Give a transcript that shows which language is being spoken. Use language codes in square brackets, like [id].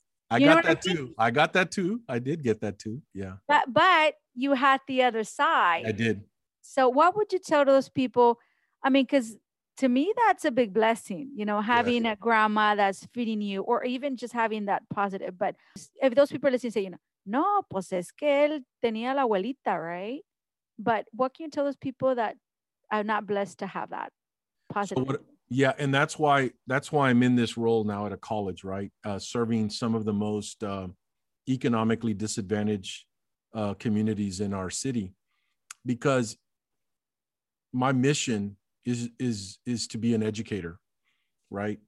[en] I got that too. I did get that too. Yeah. But you had the other side. I did. So what would you tell those people? I mean, because to me, that's a big blessing, you know, having a grandma that's feeding you or even just having that positive. But if those people listen, say, you know, [es] no, pues es que él tenía la abuelita, [en] right? But what can you tell those people that are not blessed to have that positive? And that's why I'm in this role now at a college, right? Serving some of the most economically disadvantaged communities in our city, because my mission is to be an educator, right?